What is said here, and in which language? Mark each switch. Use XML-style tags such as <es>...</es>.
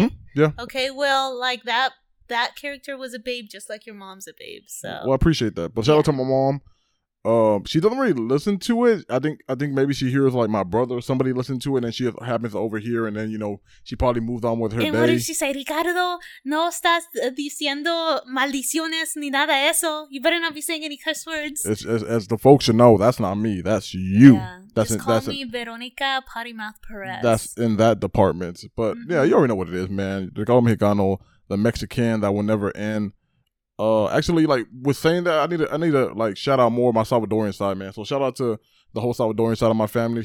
<en>Mm-hmm. Yeah. Okay, well, like that character was a babe just like your mom's a babe, so. Well, I appreciate that, but shout out to my mom. She doesn't really listen to it. I think maybe she hears like my brother or somebody listen to it, and she happens to overhear, and then, you know, she probably moved on with her day. And what did she say?</en> <es>Ricardo, no estás diciendo maldiciones ni nada eso.</es> <en>You better not be saying any cuss words. As the folks should know, that's not me. That's you. Yeah. Just call me Veronica Potty Mouth Perez. That's in that department. But mm-hmm. Yeah, you already know what it is, man. Ricardo Mexicano, the Mexican that will never end. Actually, like, with saying that, I need to, like, shout out more of my Salvadorian side, man. So, shout out to the whole Salvadorian side of my family.</en>